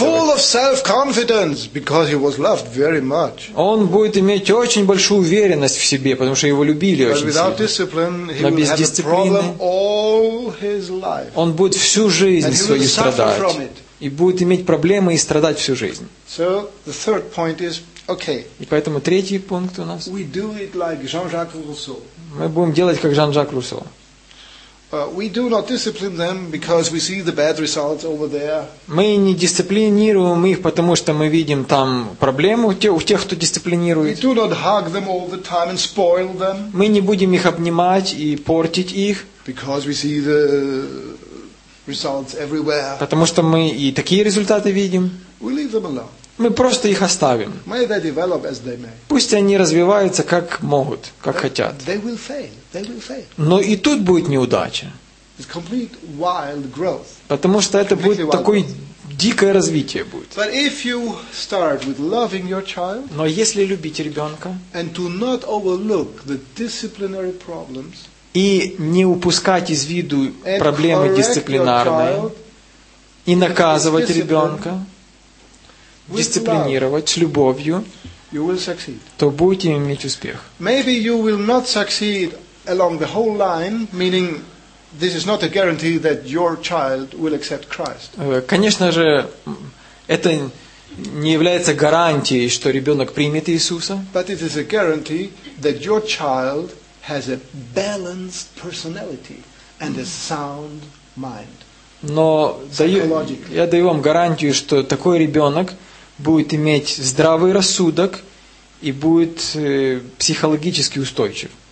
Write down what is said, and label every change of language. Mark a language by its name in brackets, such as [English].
[English] He will be full of self-confidence because he was loved very much. [Russian] Он будет иметь очень большую уверенность в себе, потому что его любили очень сильно. [English] But without discipline, he will have a problem all his life. [Russian] Он будет всю жизнь свою страдать. [English] And he will suffer from it. [Russian] И будет иметь проблемы и страдать всю жизнь. [English] So the third point is okay. [Russian] И поэтому третий пункт у нас. [English] We do it like Jean-Jacques Rousseau. [Russian] Мы будем делать как Жан-Жак Руссо. [English] We do not discipline them because we see the bad results over there. [Russian] Мы не дисциплинируем их, потому что мы видим там проблему у тех, кто дисциплинирует. [English] We do not hug them all the time and spoil them. [Russian] Мы не будем их обнимать и портить их. [English] Because we see the results everywhere. [Russian] Потому что мы и такие результаты видим. [English] We leave them alone. [Russian] Мы просто их оставим. [English] May they develop as they may. [Russian] Пусть они развиваются как могут, как хотят. [English] They will fail. They will fail. [Russian] Но и тут будет неудача. [English] It's complete wild growth. [Russian] Потому что это будет такое дикое развитие будет. [English] But if you start with loving your child, [Russian] но если любить ребенка, [English] and to not overlook the disciplinary problems, [Russian] и не упускать из виду проблемы дисциплинарные, и наказывать ребенка, дисциплинировать с любовью, [English] you will succeed. [Russian] То будете иметь успех. [English] Maybe you will not succeed along the whole line, meaning this is not a guarantee that your child will accept Christ. [Russian] Конечно же, это не является гарантией, что ребенок примет Иисуса. [English] But it is a guarantee that your child has a balanced personality and a sound mind. [Russian] Но я даю вам гарантию, что такой ребенок будет иметь здравый рассудок и будет психологически устойчив.